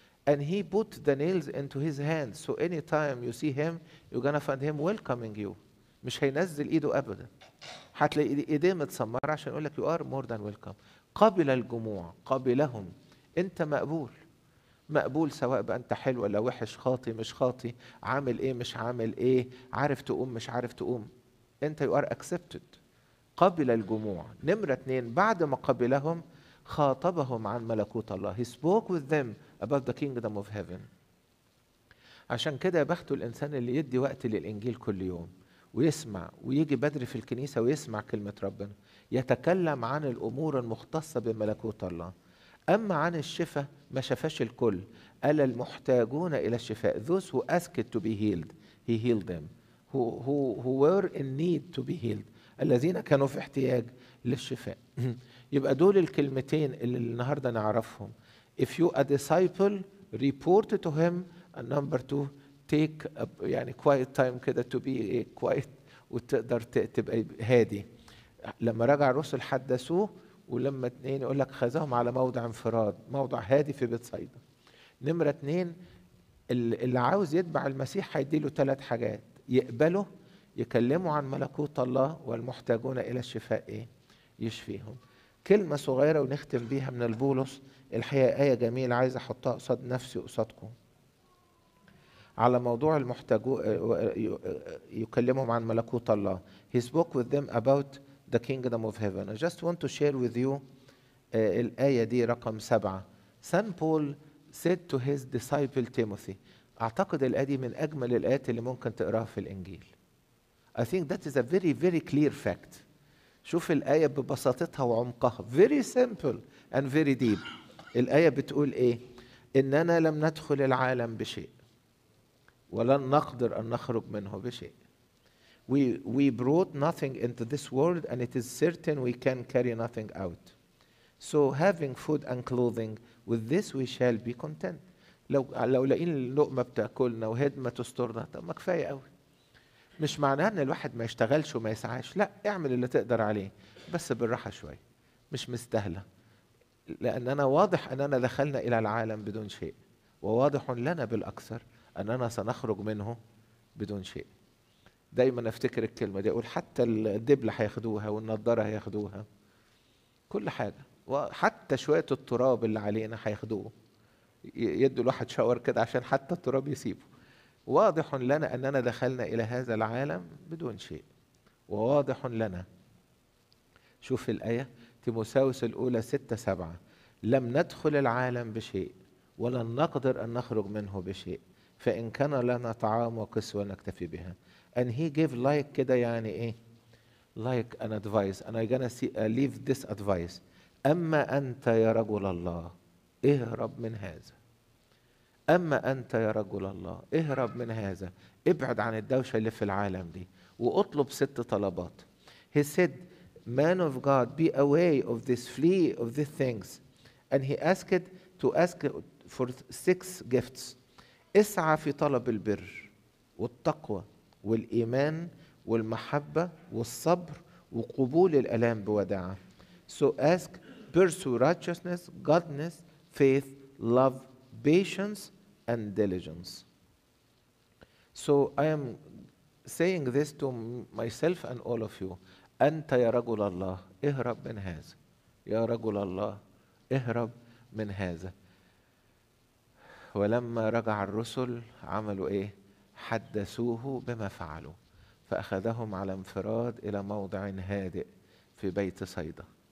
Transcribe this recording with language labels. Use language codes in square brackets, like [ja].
[en] And he put the nails into his hands. So anytime you see him, you're gonna find him welcoming you. [ar] مش هينزل ايده أبدا. هتلاقي ايديه متسمرة عشان يقولك [en] you are more than welcome. [ar] قبل الجموع، قبلهم. أنت مقبول. مقبول سواء بقى انت حلو ولا وحش، خاطي مش خاطي، عامل ايه مش عامل ايه، عارف تقوم مش عارف تقوم. انت [en] you are accepted، [ar] قبل الجموع. نمرة اتنين، بعد ما قبلهم خاطبهم عن ملكوت الله. [en] He spoke with them about the kingdom of heaven. [ar] عشان كده بخت الإنسان اللي يدي وقت للإنجيل كل يوم ويسمع ويجي بدري في الكنيسة ويسمع كلمة ربنا، يتكلم عن الأمور المختصة بملكوت الله. أما عن الشفاء ما شفاش الكل، قال المحتاجون إلى الشفاء. [en] Those who asked to be healed, he healed them. Who were in need to be healed. [ar] الذين كانوا في احتياج للشفاء. يبقى دول الكلمتين اللي النهاردة نعرفهم. [en] If you a disciple, report to him. And number two, take a يعني quiet time كده to be quiet [ar] وتقدر تبقى هادي. لما رجع الرسل حدثوه، ولما اتنين يقول لك خذهم على موضع انفراد، موضع هادي في بيت صيدا. نمرة اتنين، اللي عاوز يتبع المسيح هيديله ثلاث حاجات: يقبله، يكلموا عن ملكوت الله، والمحتاجون إلى الشفاء إيه؟ يشفيهم. كلمة صغيرة ونختم بيها من البولس، الحقيقة آية جميلة عايز أحطها قصاد نفسي وقصادكم على موضوع المحتاجون، يكلمهم عن ملكوت الله. [en] He spoke with them about the kingdom of heaven. I just want to share with you [ar] الآية دي رقم 7. [en] San Paul said to his disciple Timothy. [ar] أعتقد الآية دي من أجمل الآيات اللي ممكن تقراها في الإنجيل. [en] I think that is a very very clear fact. [ar] شوف الآية ببساطتها وعمقها. [en] Very simple and very deep. [ar] الآية بتقول إيه؟ إننا لم ندخل العالم بشيء، ولن نقدر أن نخرج منه بشيء. [en] We brought nothing into this world and it is certain we can carry nothing out. So having food and clothing, with this we shall be content. [ar] لو لقينا اللقمة بتأكلنا وهدمة تسترنا، طب ما كفاية قوي. مش معناه ان الواحد ما يشتغلش وما يسعاش، لا، اعمل اللي تقدر عليه بس بالراحة شوية، مش مستاهلة. لان انا واضح اننا دخلنا الى العالم بدون شيء، وواضح لنا بالاكثر اننا سنخرج منه بدون شيء. دايما افتكر الكلمة دي، اقول حتى الدبلة هياخدوها والنظارة هياخدوها، كل حاجة، وحتى شوية التراب اللي علينا هياخدوه، يدوا الواحد شاور كده عشان حتى التراب يسيبه. واضح لنا أننا دخلنا إلى هذا العالم بدون شيء، وواضح لنا، شوف الآية، تيموثاوس الأولى 6-7، لم ندخل العالم بشيء ولن نقدر أن نخرج منه بشيء، فإن كان لنا طعام وكسوة نكتفي بها. [en] And he gave like [ar] كده يعني إيه؟ [en] Like an advice. And I'm gonna see, leave this advice. [ar] أما أنت يا رجل الله، اهرب من هذا. أما أنت يا رجل الله، اهرب من هذا، ابعد عن الدوشة اللي في العالم دي، وأطلب 6 طلبات. [en] He said, man of God, be away of this, flee of these things. And he asked to ask for 6 gifts. [ar] اسعى في طلب البر والتقوى والإيمان والمحبة والصبر وقبول الألام بوداعة. [en] So ask, pursue righteousness, godliness, faith, love, patience, and diligence. So I am saying this to myself and all of you. [ar] أنت يا رجل الله، اهرب من هذا. يا رجل الله، اهرب من هذا. ولما رجع الرسل عملوا ايه؟ حدثوه بما فعلوا، فأخذهم على انفراد إلى موضع هادئ في بيت صيدا.